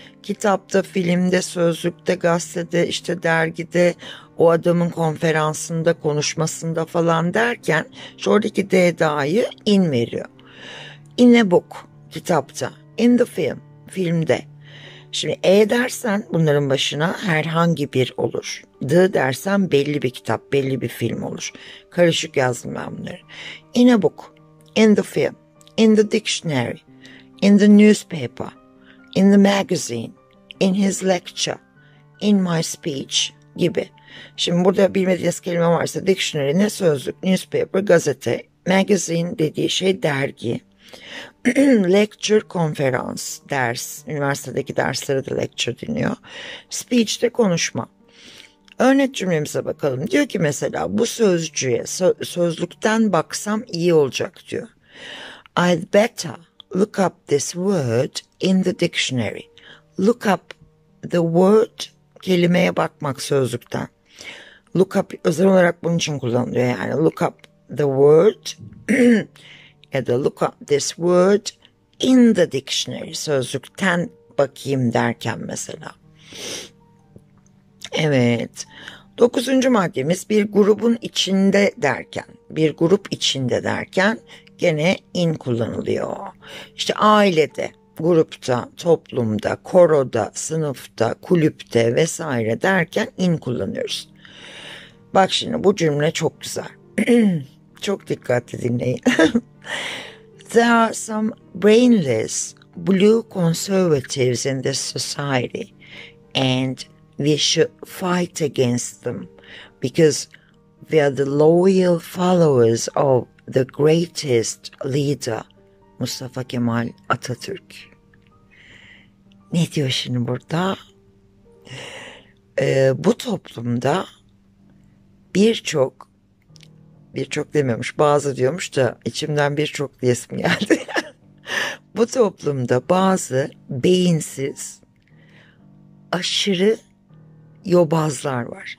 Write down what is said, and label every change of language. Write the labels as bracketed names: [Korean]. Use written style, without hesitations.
[Turkish] Kitapta, filmde, sözlükte, gazetede, işte dergide, o adamın konferansında, konuşmasında falan derken şuradaki D'yi in veriyor. [English] In a book, kitapta. In the film, filmde. [Turkish] Şimdi E dersen bunların başına herhangi bir olur. D dersen belli bir kitap, belli bir film olur. Karışık yazdım ben bunları. [English] In a book. In the film, in the dictionary, in the newspaper, in the magazine, in his lecture, in my speech gibi. [Turkish] Şimdi burada bilmediğiniz kelime varsa dictionary ne sözlük, newspaper, gazete, magazine dediği şey dergi, lecture, konferans, ders, üniversitedeki derslere de lecture deniyor, speech de konuşma. Örnek cümlemize bakalım. Diyor ki mesela bu sözcüğe sözlükten baksam iyi olacak diyor. [English] I'd better look up this word in the dictionary. Look up the word, [Turkish] kelimeye bakmak sözlükten. Look up, özel olarak bunun için kullanılıyor yani. [English] Look up the word ya da look up this word in the dictionary. [Turkish] Sözlükten bakayım derken mesela. Evet, dokuzuncu maddemiz bir grubun içinde derken, bir grup içinde derken gene in kullanılıyor. İşte ailede, grupta, toplumda, koroda, sınıfta, kulüpte vesaire derken in kullanıyoruz. Bak şimdi bu cümle çok güzel. Çok dikkatli dinleyin. [English] There are some brainless blue conservatives in this society and we should fight against them because we are the loyal followers of the greatest leader, Mustafa Kemal Atatürk. [Turkish] Ne diyor şimdi burada? Bu toplumda birçok dememiş, bazı diyormuş da içimden birçok diyesim geldi. Bu toplumda bazı beyinsiz, aşırı yobazlar var.